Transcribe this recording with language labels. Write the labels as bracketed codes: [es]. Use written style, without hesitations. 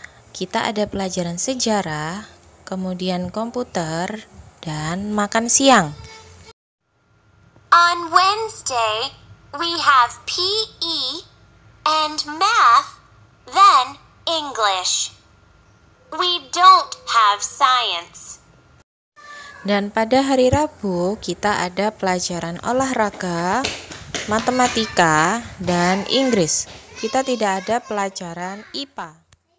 [id] Kita ada pelajaran sejarah, kemudian komputer, dan makan siang. [en] On Wednesday, we have PE and math, then English. We don't have science. [id] Dan pada hari Rabu, kita ada pelajaran olahraga, matematika, dan Inggris. Kita tidak ada pelajaran IPA.